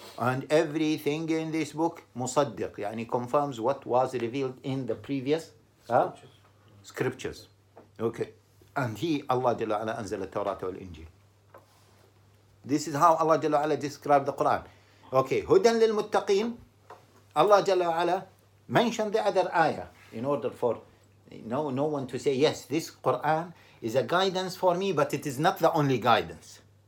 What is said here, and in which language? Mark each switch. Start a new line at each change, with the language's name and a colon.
English: And everything in this book
Arabic: مصدق يعني
English: confirms what was revealed in the previous scriptures. Okay. And he Allah
Arabic: جل وعلا أنزل التوراة والإنجيل.
English: This is how Allah
Arabic: جل وعلا
English: described the Quran. Okay.
Arabic: هدى للمتقين.
English: Allah
Arabic: جل وعلا
English: mentioned the other ayah in order for no one to say, yes, this Quran is a guidance for me, but it is not the only guidance.